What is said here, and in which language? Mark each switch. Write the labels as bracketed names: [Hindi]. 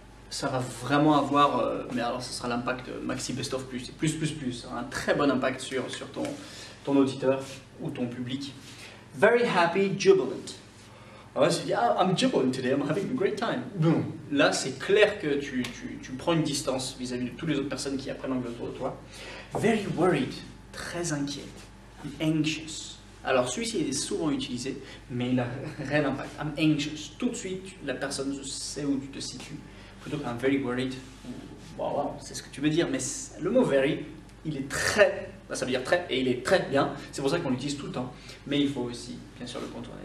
[French] Ça va vraiment avoir, mais alors ce sera l'impact Maxi Best of Plus, plus, un très bon impact sur ton auditeur ou ton public. [English] Very happy, jubilant. [French] Alors là, tu dis, [English] I'm jubilant today, I'm having a great time. Boom. [French] Là, c'est clair que tu prends une distance vis-à-vis de toutes les autres personnes qui apprennent l'anglais autour de toi. [English] Very worried, [French] très inquiet, [English] anxious. [French] Alors celui-ci est souvent utilisé, mais il a réel impact. [English] I'm anxious. [French] Tout de suite, la personne sait où tu te situes. Plutôt qu'un [English] very worried, [French] wow, c'est ce que tu veux dire, mais le mot very, il est très, ça veut dire très, et il est très bien, c'est pour ça qu'on l'utilise tout le temps, mais il faut aussi bien sûr le contourner.